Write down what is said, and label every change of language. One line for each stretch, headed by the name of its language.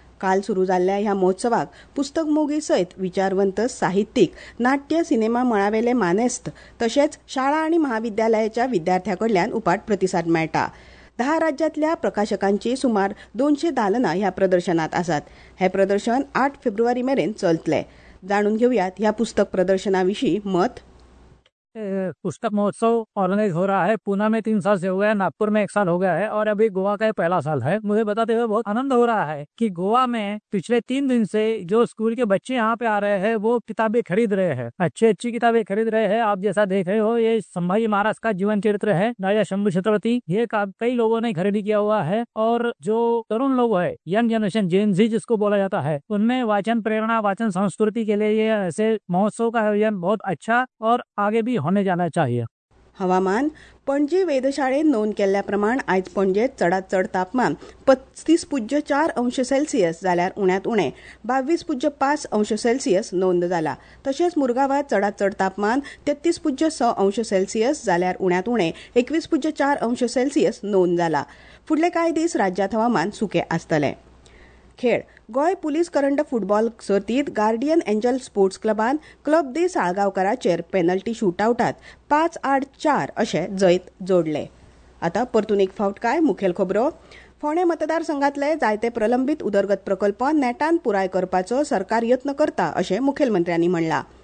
Goan Konkani: काल सुरू जाल्ल्या ह्या महोत्सवाक पुस्तक मोगी सयत विचारवंत, साहित्यीक, नाट्य सिनेमा मळावेले मानेस्त तशेंच शाळा आनी महाविद्यालयाच्या विद्यार्थ्यांकडल्यान उपाट प्रतिसाद मेळटा. 10 राज्यांतल्या प्रकाशकांची सुमार 200 दालनां ह्या प्रदर्शनांत आसात. हे प्रदर्शन 8 फेब्रुवारी मेरेन चलतले. जाणून घेवयात ह्या पुस्तक प्रदर्शना विशीं मत.
Hindi: पुस्तक महोत्सव ऑर्गेनाइज हो रहा है. पुना में 3 साल से हो गया, नागपुर में 1 साल हो गया है और अभी गोवा का ये पहला साल है. मुझे बताते हुए बहुत आनंद हो रहा है कि गोवा में पिछले 3 दिन से जो स्कूल के बच्चे यहाँ पे आ रहे हैं वो किताबें खरीद रहे हैं, अच्छी अच्छी किताबें खरीद रहे हैं. आप जैसा देख रहे हो ये संभाजी महाराज का जीवन चरित्र है, राजा शंभु छत्रपति, ये कई लोगों ने खरीद किया हुआ है. और जो तरुण लोग है, यंग जनरेशन, जेन जी जिसको बोला जाता है, उनमें वाचन प्रेरणा, वाचन संस्कृति के लिए ये ऐसे महोत्सव का आयोजन बहुत अच्छा और आगे भी होने जाना चाहिए.
Goan Konkani: हवामान. पणजे वेधशाळेन नोंद केल्ल्या प्रमाण आयज पणजेत चडात चड तापमान 35.4 अंश सेल्सियस जाल्यार उण्यात उणे 22.5 अंश सेल्सियस नोंद जाला. तशेंच मुरगांवात चडात चड तापमान 33.6 अंश सेल्सियस जाल्यार उण्यात उणे 21.4 अंश सेल्सियस नोंद जाला. फुडले कांय दीस राज्यांत हवामान सुकें आसतलें. खेळ. गोंय पुलीस करंड फुटबॉल सर्तींत गार्डियन एंजल स्पोर्ट्स क्लबान क्लब दे साळगांवकाराचेर पॅनल्टी शूटआवटात 5-8 अशें जैत जोडले. आतां परतून एक फावट काय मुखेल खबरो. फोंडे मतदारसंघातले जायते प्रलंबीत उदरगत प्रकल्प नेटान पुराय करपाचो सरकार यत्न करता अशें मुखेलमंत्र्यांनी म्हणला.